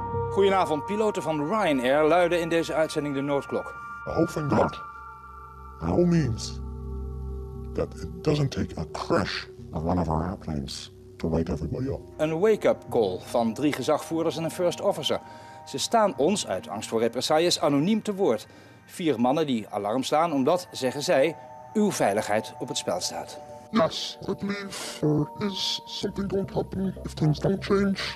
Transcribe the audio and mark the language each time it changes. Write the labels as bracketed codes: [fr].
[nl] Goedenavond, piloten van Ryanair luiden in deze uitzending de noodklok. [en] I hope thank God. By all means that it doesn't take a crash of one of our airplanes to wake everybody up. [nl] Een wake-up call van drie gezagvoerders en een first officer. Ze staan ons uit angst voor represailles anoniem te woord. Vier mannen die alarm slaan omdat, zeggen zij, uw veiligheid op het spel staat. [en] Yes, I believe there is something going to happen if things don't change.